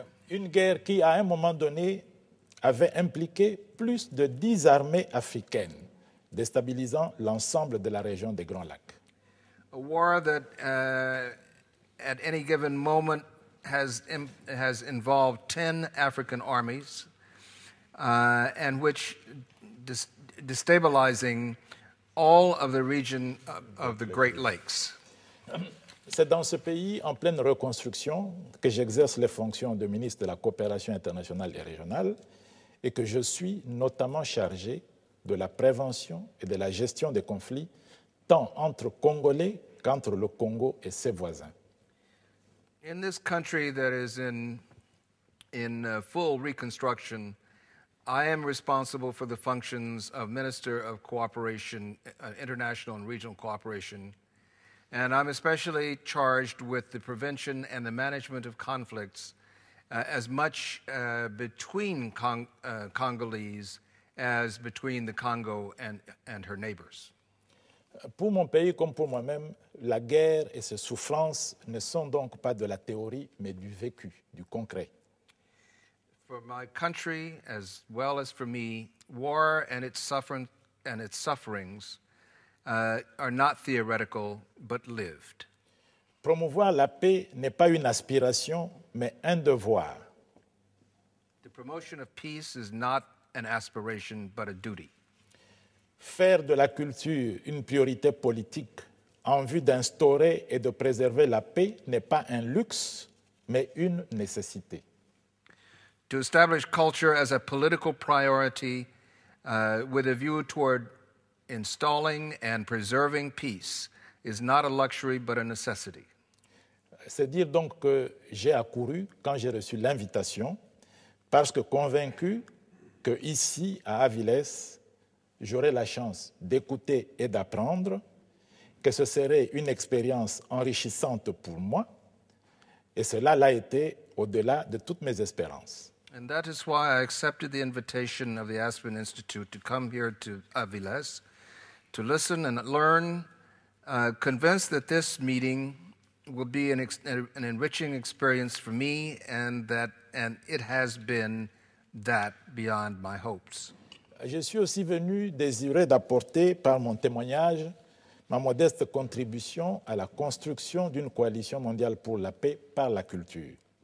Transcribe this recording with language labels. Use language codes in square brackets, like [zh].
[fr] une guerre qui, à un moment donné, avait impliqué plus de 10 armées africaines, déstabilisant l'ensemble de la région des Grands Lacs. [en] A war that, at any given moment, has involved 10 African armies, and which destabilizing all of the region of the Great Lakes. [fr] C'est dans ce pays en pleine reconstruction que j'exerce les fonctions de ministre de la coopération internationale et régionale et que je suis notamment chargé de la prévention et de la gestion des conflits tant entre Congolais qu'entre le Congo et ses voisins. [en] In this country that is in full reconstruction, I am responsible for the functions of Minister of Cooperation, International and Regional Cooperation. And I'm especially charged with the prevention and the management of conflicts as much between Congolese as between the Congo and her neighbors. [fr] Pour mon pays comme pour moi-même, la guerre et ses souffrances ne sont donc pas de la théorie, mais du vécu, du concret. [en] For my country, as well as for me, war and its sufferings are not theoretical, but lived. [fr] Promouvoir la paix n'est pas une aspiration, mais un devoir. [en] The promotion of peace is not an aspiration, but a duty. [fr] Faire de la culture une priorité politique en vue d'instaurer et de préserver la paix n'est pas un luxe, mais une nécessité. [en] To establish culture as a political priority with a view toward installing and preserving peace is not a luxury but a necessity. [fr] C'est dire donc que j'ai accouru quand j'ai reçu l'invitation parce que convaincu que ici à Aviles j'aurai la chance d'écouter et d'apprendre que ce serait une expérience enrichissante pour moi, et cela l'a été au-delà de toutes mes espérances. [en] And that is why I accepted the invitation of the Aspen Institute to come here to Aviles to listen and learn, convinced that this meeting will be an enriching experience for me, and it has been that beyond my hopes. [fr] Je suis aussi venu désireux d'apporter par mon témoignage ma modeste contribution à la construction d'une coalition mondiale pour la paix par la culture.